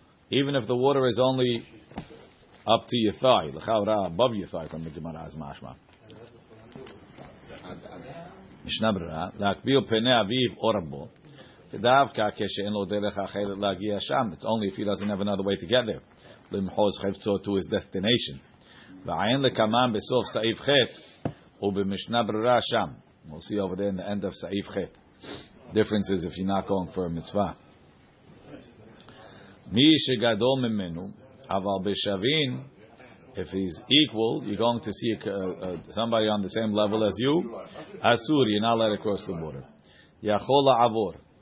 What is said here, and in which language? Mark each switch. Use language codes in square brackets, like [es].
[en] Even if the water is only up to your thigh, above your thigh, from the Gemara's mashma. [he] Mishnah Berurah, להקביל פני אביו או רבו, דווקא כשאין לו דרך אחרת להגיע שם. [en] It's only if he doesn't have another way to get there. [he] למחוז חפצו [en] to his destination. [he] ועין לקמם בסוף סעיף חט, ובמשנה ברירה שם. [en] We'll see over there in the end of סעיף חט. Difference is if you're not going for a mitzvah. [he] מי שגדול ממנו, אבל בשווין, [en] if he's equal, you're going to see somebody on the same level as you. Asur, you're not allowed to cross the border. [he] Yachol la'avor.